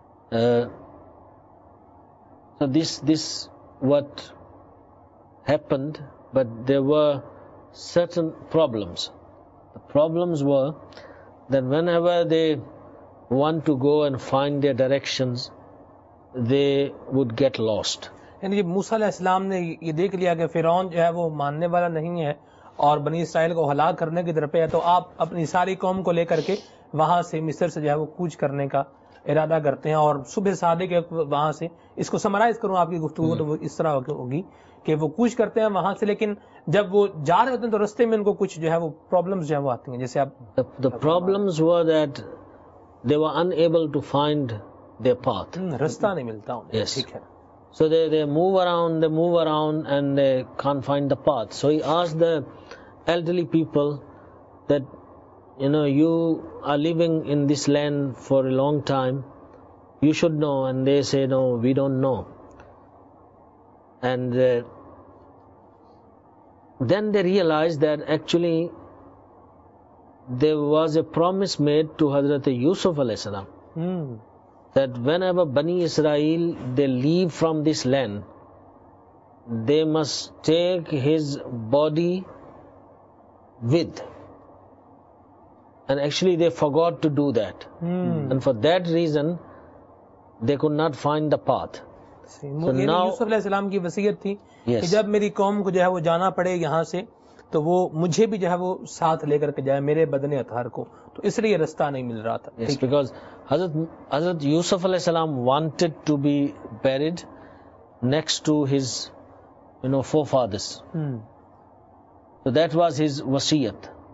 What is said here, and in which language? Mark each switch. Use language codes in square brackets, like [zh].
[en] So this what happened, but there were certain problems. The problems were that whenever they want to go and find their directions, they would get lost. [ur] یعنی موسیٰ علیہ السلام نے یہ دیکھ لیا کہ فرعون جو ہے وہ ماننے والا نہیں ہے اور بنی اسرائیل کو ہلاک کرنے کی طرف پہ ہے, تو آپ اپنی ساری قوم کو لے کر کے وہاں سے مصر سے جو ہے وہ کوچ کرنے کا ارادہ کرتے ہیں, اور صبح صادق وہاں سے, اس کو سمرائز کروں آپ کی گفتگو تو وہ اس طرح ہوگی کہ وہ کوچ کرتے ہیں وہاں سے, لیکن جب وہ جا رہے ہوتے ہیں تو رستے میں ان کو کچھ جو ہے وہ پرابلمز جو ہے وہ آتی ہیں, جیسے آپ [en] the problems were that they were unable to find their path. [ur] رستہ نہیں ملتا انہیں. Yes. ٹھیک ہے. [en] So they move around and they can't find the path. So he asked the elderly people that, you know, you are living in this land for a long time, you should know. And they say, no, we don't know. And then they realized that actually there was a promise made to Hazrat Yusuf alayhi salam. That whenever Bani Israel, they leave from this land, they must take his body with. And actually they forgot to do that. And for that reason, they could not find the path. [ur] یوسف علیہ السلام کی وصیت تھی کہ جب میری قوم کو جو ہے وہ جانا پڑے یہاں سے تو وہ مجھے بھی جو ہے وہ ساتھ لے کر کے جائے میرے بدن اطہار کو, تو اس لیے رستہ نہیں مل رہا تھا. [en] Because Hazrat Yusuf علیہ السلام wanted to be buried next to his four fathers, so that was his wasiyat.